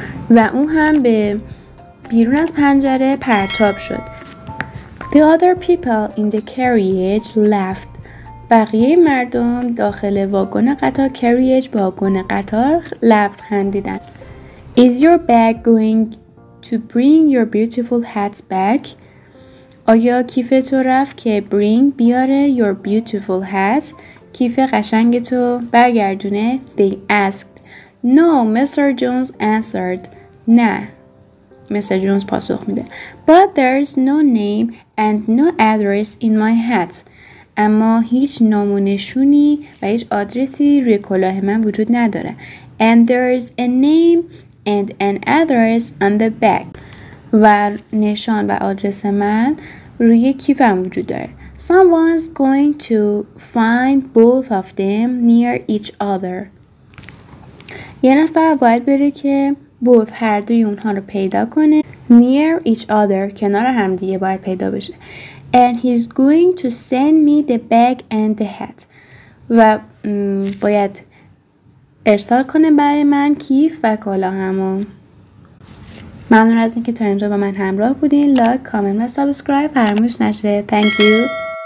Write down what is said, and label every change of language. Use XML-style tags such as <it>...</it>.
<fa>و اون هم به بیرون از پنجره پرتاب شد.</fa> <en>The other people in the carriage laughed.</en> <fa>بقیه مردم داخل واگن قطار carriage واگن قطار لفت خندیدن.</fa> <en>Is your bag going to bring your beautiful hat back?</en> <fa>آیا کیف تو رفت که</fa> <en>bring</en> <fa>بیاره</fa> <en>your beautiful hat</en> <fa>کیف قشنگ تو برگردونه؟</fa> <en>They asked. No, Mr. Jones answered.</en> <fa>نه.</fa> <en>Mr. Jones</en> <fa>پاسخ میده.</fa> <en>But there's no name and no address in my hat.</en> <fa>اما هیچ نام و نشونی و هیچ آدرسی روی کلاه من وجود نداره.</fa> <en>And there's a name and an address on the back.</en> <fa>و نشان و آدرس من روی کیفم وجود داره.</fa> <en>Someone's going to find both of them near each other.</en> <fa>یه نفر باید بره که both هر دوی اونها رو پیدا کنه.</fa> <en>Near each other</en> <fa>کنار هم دیگه باید پیدا بشه.</fa> <en>And he's going to send me the bag and the hat.</en> <fa>و باید ارسال کنه برای من کیف و کلاهمو. ممنون از اینکه تا اینجا با من همراه بودین. لایک، کامنت و سابسکرایب فراموش نشه.</fa> <en>Thank you.</en>